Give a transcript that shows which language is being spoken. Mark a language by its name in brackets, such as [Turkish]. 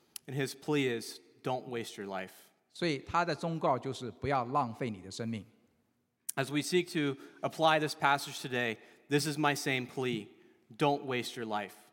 [English] And his plea is, don't waste your life. [Chinese] 所以他的忠告就是不要浪费你的生命。 [English] As we seek to apply this passage today, this is my same plea, don't waste your life.